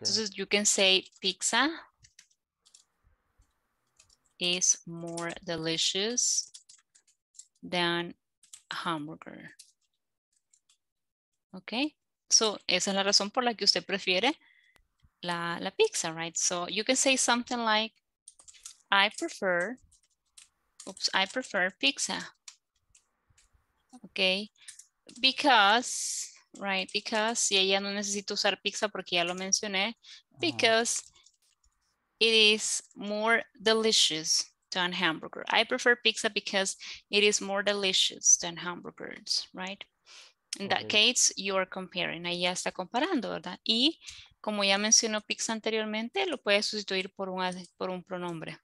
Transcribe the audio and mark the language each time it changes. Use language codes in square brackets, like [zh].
[es] Entonces, [en] you can say pizza is more delicious than hamburger. [es] Ok, so esa es la razón por la que usted prefiere la pizza, [en] right? So you can say something like, I prefer pizza. Okay, because, right, because, [es] y ella no necesito usar pizza porque ya lo mencioné, [en] because it is more delicious than hamburger. I prefer pizza because it is more delicious than hamburgers, right? In that case, you are comparing. [es] Ahí ya está comparando, ¿verdad? Y como ya mencionó pizza anteriormente, lo puede sustituir por un pronombre.